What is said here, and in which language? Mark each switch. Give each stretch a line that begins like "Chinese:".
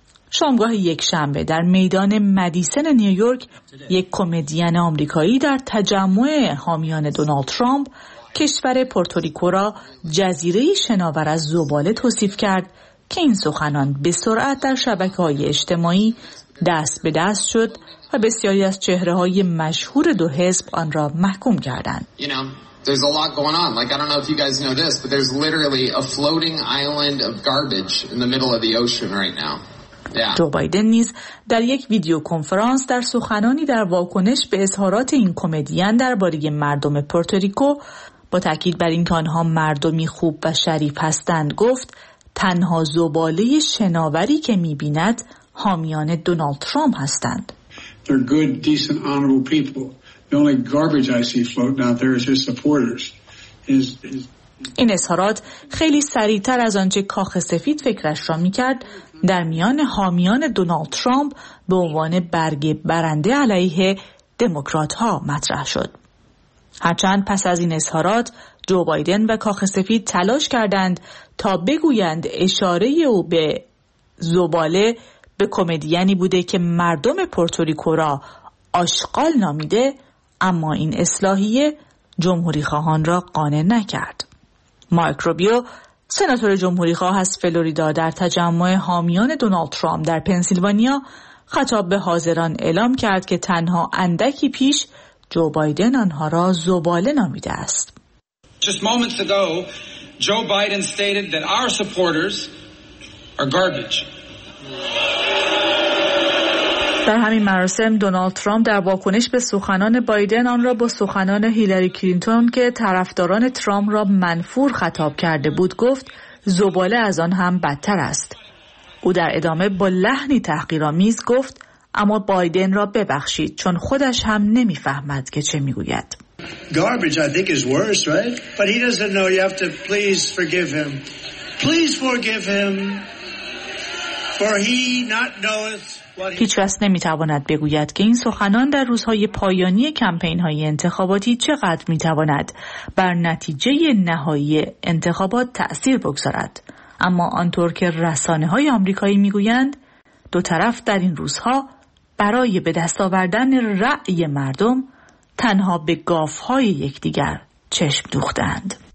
Persian: شامگاه یک شنبه در میدان مدیسن نیویورک یک کمدین آمریکایی در تجمع حامیان دونالد ترامپ کشور پورتوریکو را جزیره شناور از زباله توصیف کرد که این سخنان به سرعت در شبکه‌های اجتماعی دست به دست شد و بسیاری از چهره‌های مشهور دو حزب آن را محکوم کردند.
English: There's a lot going on. Like I don't know if you guys know this, but there's literally a floating island of garbage in the middle of the ocean right now. Yeah.
Persian: جو بایدن نیز در یک ویدیو کنفرانس در سخنانی در واکنش به اظهارات این کمدین درباره مردم پورتوریکو با تأکید بر اینکه آنها مردمی خوب و شریف هستند گفت تنها زباله شناوری که می‌بیند حامیان دونالد ترامپ هستند.
English: They're good, decent, honorable people. The only garbage I see floating out there is his supporters.
Persian: این اظهارات خیلی سریع‌تر از آنچه کاخ سفید فکرش را می‌کرد در میان حامیان دونالد ترامپ به عنوان برگ برنده علیه دموکرات‌ها مطرح شد. هرچند پس از این اظهارات جو بایدن و کاخ سفید تلاش کردند تا بگویند اشاره او به زباله به کمدینی بوده که مردم پورتوریکو را آشغال نامیده، اما این اصلاحیه جمهوری خواهان را قانع نکرد. مایک روبیو سناتور جمهوری خواه از فلوریدا در تجمع حامیان دونالد ترامپ در پنسیلوانیا خطاب به حاضران اعلام کرد که تنها اندکی پیش جو بایدن آنها را زباله نامیده است.
English: Just moments ago, Joe Biden stated that our supporters are garbage. و
Persian: در همین مراسم دونالد ترامپ در واکنش به سخنان بایدن آن را با سخنان هیلری کلینتون که طرفداران ترامپ را منفور خطاب کرده بود گفت زباله از آن هم بدتر است. او در ادامه با لحنی تحقیرآمیز گفت اما بایدن را ببخشید چون خودش هم نمی فهمد که چه می گوید.
English: Garbage, I think is worse, right? But he doesn't know. You have to please forgive him. Please forgive him, for he not knoweth.
Persian: هیچ کس نمیتواند بگوید که این سخنان در روزهای پایانی کمپین‌های انتخاباتی چقدر میتواند بر نتیجه نهایی انتخابات تأثیر بگذارد. اما آنطور که رسانه‌های آمریکایی میگویند، دو طرف در این روزها برای به دست آوردن رأی مردم تنها به گاف‌های یکدیگر چشم دوختند.